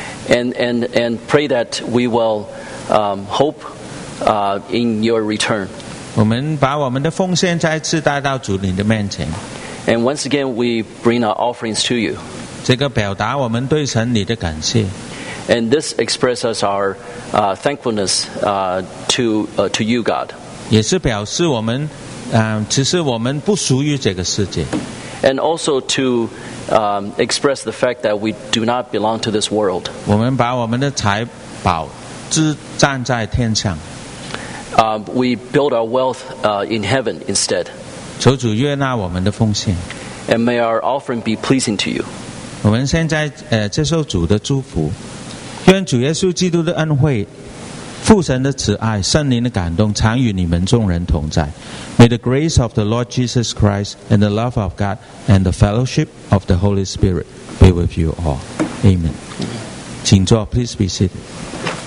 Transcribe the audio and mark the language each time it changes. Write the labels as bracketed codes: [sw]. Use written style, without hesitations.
[en] And pray that we will hope in your return. [zh] 我们把我们的奉献再次带到主你的面前。 [en] And once again we bring our offerings to you. [zh] 这个表达我们对神你的感谢。 [en] And this expresses our thankfulness to you, God. [zh] 也是表示我们，其实我们不属于这个世界。 [en] And also to express the fact that we do not belong to this world. [zh] 我们把我们的财宝置站在天上。 [en] We build our wealth in heaven instead. [zh] 求主悦纳我们的奉献。 [en] And may our offering be pleasing to you. [zh] 我们现在接受主的祝福。愿主耶稣基督的恩惠、父神的慈爱、圣灵的感动常与你们众人同在。 [en] May the grace of the Lord Jesus Christ and the love of God and the fellowship of the Holy Spirit be with you all. Amen. [zh] 请坐 [en] Please be seated.